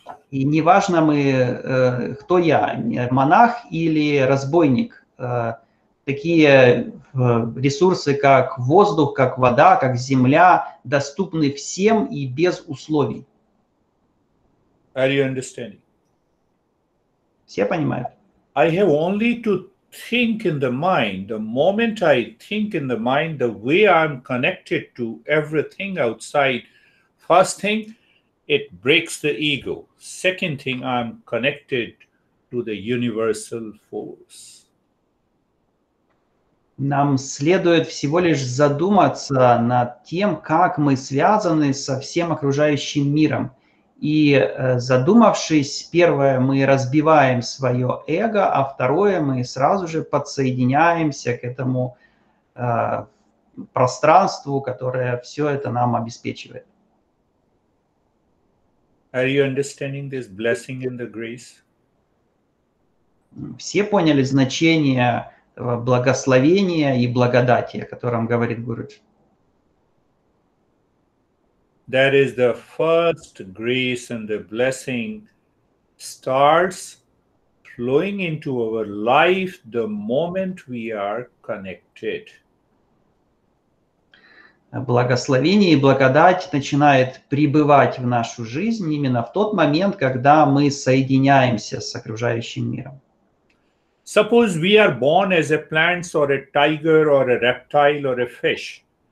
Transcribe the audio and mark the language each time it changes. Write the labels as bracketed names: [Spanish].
[Russian] И неважно мы, кто я, монах или разбойник, такие ресурсы, как воздух, как вода, как земля, доступны всем и без условий. [English] Are you understanding? [Russian] Все понимают? [English] I have only to think in the mind. The moment I think in the mind, the way I'm connected to everything outside, first thing, it breaks the ego. Second thing, I'm connected to the universal force. [Russian] Нам следует всего лишь задуматься над тем, как мы связаны со всем окружающим миром. И задумавшись, первое, мы разбиваем свое эго, а второе, мы сразу же подсоединяемся к этому пространству, которое все это нам обеспечивает. [English] Are you understanding this blessing and the grace? [Russian] Все поняли значение благословения и благодати, о котором говорит Гуруджи. [English] That is the first grace and the blessing starts flowing into our life the moment we are connected. [Russian] Благословение и благодать начинают пребывать в нашу жизнь именно в тот момент, когда мы соединяемся с окружающим миром. [English] Suppose we are born as a plant or a tiger or a reptile or a fish.